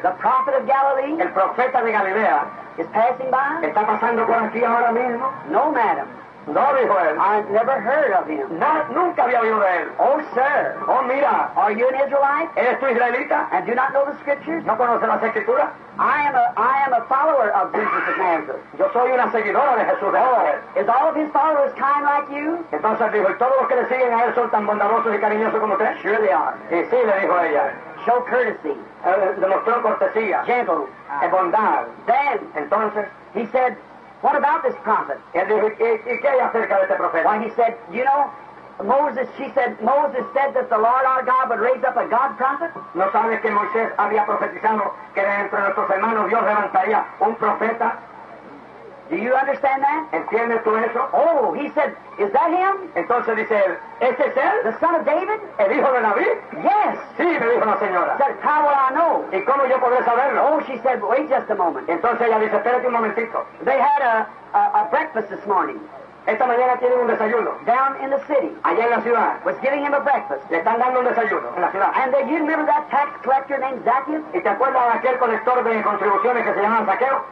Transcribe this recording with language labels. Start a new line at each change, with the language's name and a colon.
English: The prophet of Galilee.
Spanish: El profeta de Galilea.
English: Is passing by.
Spanish: ¿Está pasando por aquí ahora mismo?
English: No, madam.
Spanish: No, dijo él.
English: I never heard of him.
Spanish: No, nunca había oído de él.
English: Oh, sir.
Spanish: Oh, mira.
English: Are you an Israelite?
Spanish: ¿Eres tú israelita?
English: And do not know the scriptures?
Spanish: ¿No conoces las escrituras?
English: I am a follower of Jesus of Nazareth.
Spanish: Yo soy una seguidora de Jesús de Nazaret.
English: Oh, is all of his followers kind like you?
Spanish: Entonces dijo, ¿todos los que le siguen a él son tan bondadosos y cariñosos como usted?
English: Sure they are.
Spanish: Y sí, le dijo ella.
English: Show courtesy.
Spanish: Demostró cortesía.
English: Gentle.
Spanish: Es bondad.
English: Then.
Spanish: Entonces.
English: He said, what about this prophet?
Spanish: Él dijo, ¿y qué hay acerca de este profeta?
English: Why, he said, you know, Moses, she said, Moses said that the Lord our God would raise up a God prophet?
Spanish: ¿No sabes que Moisés había profetizado que dentro de nuestros hermanos Dios levantaría un profeta?
English: Do you understand that?
Spanish: ¿Entiendes tú eso?
English: Oh, he said, is that him?
Spanish: Entonces dice él, ¿ese es él?
English: The son of David?
Spanish: ¿El hijo de David?
English: Yes.
Spanish: Sí, me dijo la señora.
English: He said, how will I know?
Spanish: ¿Y cómo yo podré saberlo?
English: Oh, she said, wait just a moment.
Spanish: Entonces ella dice, espérate un momentito.
English: They had a breakfast this morning.
Spanish: Esta mañana tienen un desayuno.
English: Down in the city.
Spanish: Allá en la ciudad.
English: Was giving him a breakfast.
Spanish: Le están dando un desayuno en la ciudad.
English: And you remember that tax collector named Zacchaeus?
Spanish: ¿Y te acuerdas de aquel colector de contribuciones que se llamaba Zaqueo?